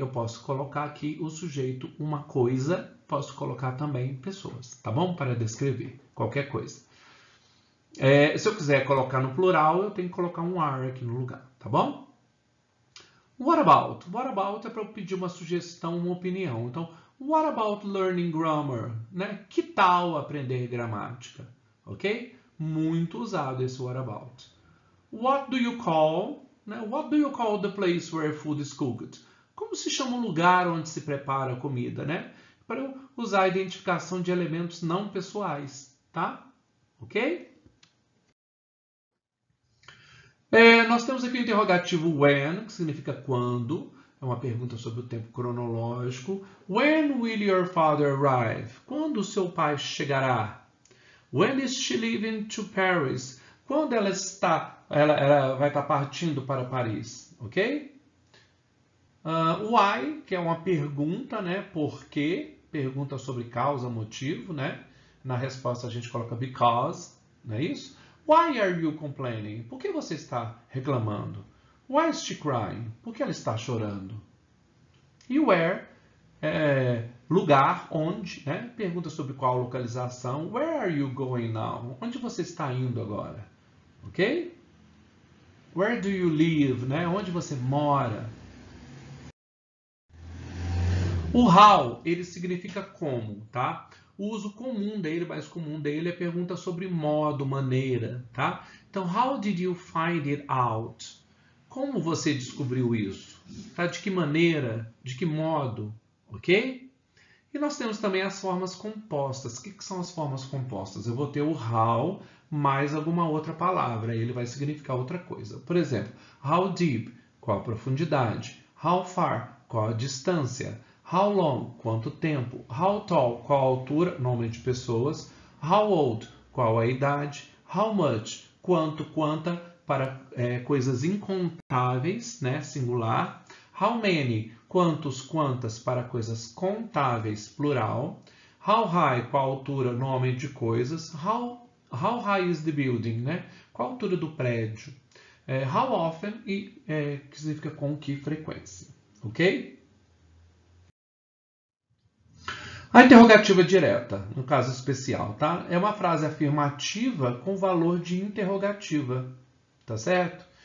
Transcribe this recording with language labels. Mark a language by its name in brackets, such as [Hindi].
[Portuguese] Eu posso colocar aqui o sujeito, uma coisa, posso colocar também pessoas, tá bom? Para descrever qualquer coisa. Se eu quiser colocar no plural, eu tenho que colocar um are aqui no lugar, tá bom? [English] What about? [Portuguese] What about é para eu pedir uma sugestão, uma opinião. [English] Então, what about learning grammar? [Portuguese] Né? Que tal aprender gramática? Ok? Muito usado esse [English] what about. What do you call? Né? What do you call the place where food is cooked? [Portuguese] Como se chama o lugar onde se prepara a comida, né? Para eu usar a identificação de elementos não pessoais, tá? Ok? Nós temos aqui o interrogativo when, que significa quando. É uma pergunta sobre o tempo cronológico. [English] When will your father arrive? [Portuguese] Quando o seu pai chegará? [English] When is she leaving to Paris? [Portuguese] Quando ela vai estar partindo para Paris, ok? Why, que é uma pergunta, né? Por quê? Pergunta sobre causa, motivo, né? Na resposta a gente coloca because, não é isso? [English] Why are you complaining? [Portuguese] Por que você está reclamando? [English] Why is she crying? [Portuguese] Por que ela está chorando? E where é lugar, onde, né? Pergunta sobre qual localização. [English] Where are you going now? [Portuguese] Onde você está indo agora? Ok? [English] Where do you live, [Portuguese] né? Onde você mora? O how, ele significa como, tá? O uso comum dele, mais comum dele, é pergunta sobre modo, maneira, tá? [English] Então, how did you find it out? [Portuguese] Como você descobriu isso? Tá? De que maneira? De que modo? Ok? E nós temos também as formas compostas. O que são as formas compostas? Eu vou ter o how mais alguma outra palavra, ele vai significar outra coisa. Por exemplo, [English] how deep? [Portuguese] Qual a profundidade? [English] How far? [Portuguese] Qual a distância? [English] How long? [Portuguese] Quanto tempo? [English] How tall? [Portuguese] Qual a altura? Nome de pessoas. [English] How old? [Portuguese] Qual a idade? [English] How much? [Portuguese] Quanto? Quanta? Para coisas incontáveis, né? Singular. [English] How many? [Portuguese] Quantos? Quantas? Para coisas contáveis, plural. [English] How high? [Portuguese] Qual a altura? Nome de coisas. [English] How high is the building? [Portuguese] Né? Qual a altura do prédio? [English] How often? [Portuguese] Que significa com que frequência. Ok? A interrogativa direta, no caso especial, tá? É uma frase afirmativa com valor de interrogativa, tá certo?